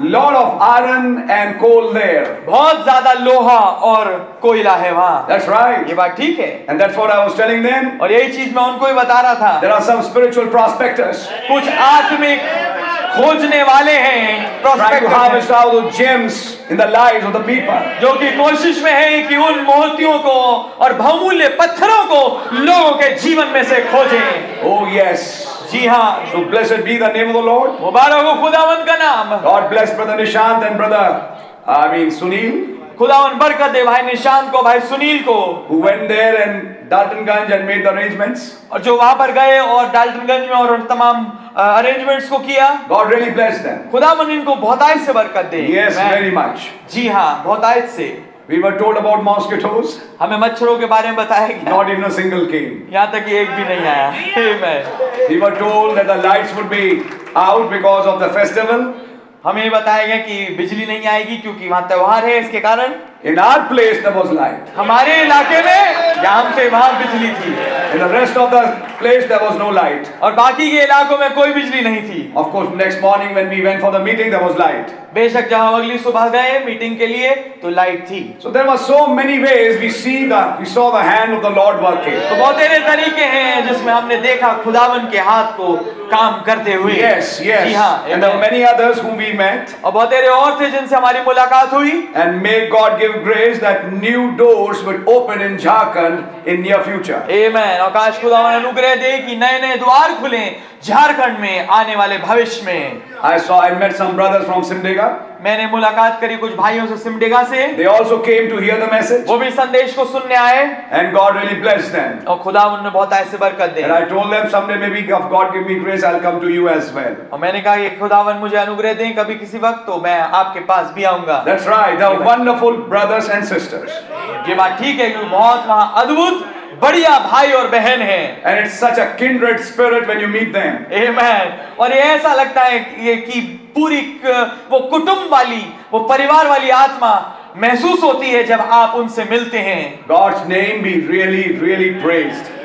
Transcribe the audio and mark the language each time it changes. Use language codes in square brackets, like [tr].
[en] lot of iron and coal there. [hi] बहुत ज्यादा लोहा और कोयला है वहां [en] That's right. [hi] ये बात ठीक है [en] and that's what I was telling them. [hi] और यही चीज मैं उनको ही बता रहा था [en] there are some spiritual prospectors. [hi] कुछ आत्मिक खोजने वाले हैं [en] prospectors in the lives of the people [hi] जो कि कोशिश में है कि उन मोतियों को और बहुमूल्य पत्थरों को लोगों के जीवन में से खोजें [en] oh yes [hi] जी हाँ [en] so blessed be the name of the lord [hi] मुबारक हो खुदावंत का नाम [en] god bless brother nishant and brother sunil [hi] खुदावंत बरकत दे भाई निशांत को भाई सुनील को [en] who went there and Daltonganj and made the arrangements. [hi] और जो वहाँ पर गए और Daltonganj में और उन तमाम arrangements को किया. [en] God really blessed them. [hi] खुदा मन इनको बहुतायत से बरकत दे. [en] Yes, very much. [hi] जी हाँ, बहुतायत से. [en] We were told about mosquitoes. [hi] हमें मच्छरों के बारे में बताया गया. [en] Not even a single came. [hi] यहाँ तक कि एक भी नहीं आया. Amen. [en] We were told that the lights would be out because of the festival. [hi] हमें बताया गया कि बिजली नहीं आएगी क्योंकि वहाँ त्योहार है इसके कारण [en] In our place there was light. [hi] हमारे इलाके में जहाँ पे वहाँ बिजली थी [en] In the rest of the place there was no light. [hi] और बाकी के इलाकों में कोई बिजली नहीं थी [en] Of course next morning when we went for the meeting there was light. [hi] बेशक जहाँ अगली सुबह गए मीटिंग के लिए तो लाइट थी [en] So there were so many ways we saw the hand of the Lord working. [hi] तो बहुत सारे तरीके हैं जिसमें हमने देखा खुदावन के हाथ को काम करते हुए [en] Yes, yes. [hi] जी हाँ, [en] And there were many others whom we met. [hi] और बहुत सारे और थे जिनसे हमारी मुलाकात हुई [en] And may God give grace that new doors will open in Jharkhand in near future. Amen. [hi] और काश खुदावन अनुग्रह दे कि नए नए द्वार खुलें झारखंड में आने वाले भविष्य में [en] I met some brothers from Simdega. [hi] मैंने मुलाकात करी कुछ भाइयों से सिमडेगा से [en] They also came to hear the message. [hi] वो भी संदेश को सुनने आए [en] And God really blessed them. [hi] और खुदा उन्हें बहुत ऐसे बरकत दे [en] And I told them someday maybe if God give me grace I'll come to you as well. [hi] और मैंने कहा कि खुदावन मुझे अनुग्रह दें कभी किसी वक्त तो मैं आपके पास भी आऊंगा [en] That's right, the wonderful brothers and sisters. [hi] ये बात ठीक है कि बहुत वहाँ अद्भुत बढ़िया भाई और बहन हैं [en] And it's such a kindred spirit when you meet them. Amen. [hi] और ये ऐसा लगता है ये कि पूरी वो कुटुंब वाली वो परिवार वाली आत्मा महसूस होती है जब आप उनसे मिलते हैं [en] God's name be really, really praised.